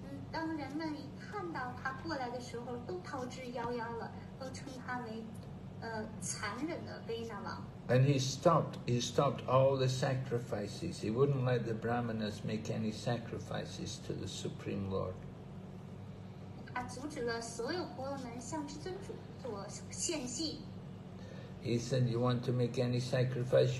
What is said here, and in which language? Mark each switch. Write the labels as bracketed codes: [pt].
[zh] 当人们一看到他过来的时候，都逃之夭夭了，都称他为残忍的Vinasa王。 [en] And he stopped all the sacrifices. He wouldn't let the Brahmanas make any sacrifices to the Supreme Lord. [zh] 他阻止了所有婆罗门向至尊主做献祭。 [en] He said, "You want to make any sacrifice?